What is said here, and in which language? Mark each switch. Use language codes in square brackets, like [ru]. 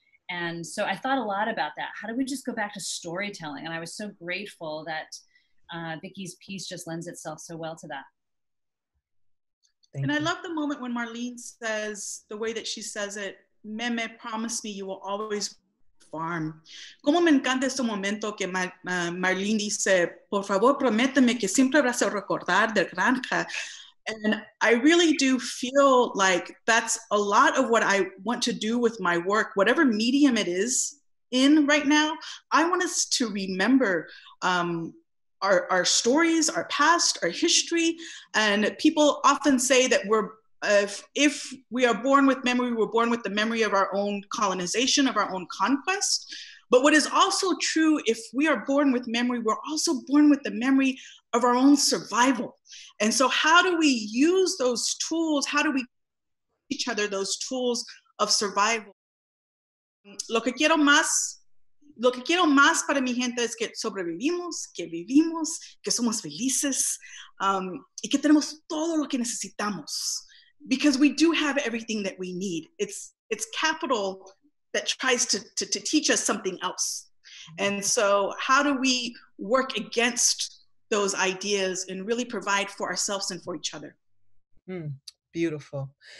[en] And so I thought a lot about that. How do we just go back to storytelling? And I was so grateful that Vicky's piece just lends itself so well to that. Thank and you. I love the moment when Marlene says, the way that she says it, Meme, promise me you will always farm. [es] Como me encanta este momento que Marlene dice, por favor, prométeme que siempre vas a recordar de granja. [en] And I really do feel like that's a lot of what I want to do with my work, whatever medium it is in right now. I want us to remember our stories, our past, our history. And people often say that we're if we are born with memory, we're born with the memory of our own colonization, of our own conquest. But what is also true, if we are born with memory, we're also born with the memory of our own survival. And so how do we use those tools? How do we teach each other those tools of survival? [es] Lo que quiero más para mi gente es que sobrevivimos, que vivimos, que somos felices, y que tenemos todo lo que necesitamos. [en] Because we do have everything that we need. It's capital that tries to teach us something else. And so how do we work against those ideas and really provide for ourselves and for each other? Beautiful.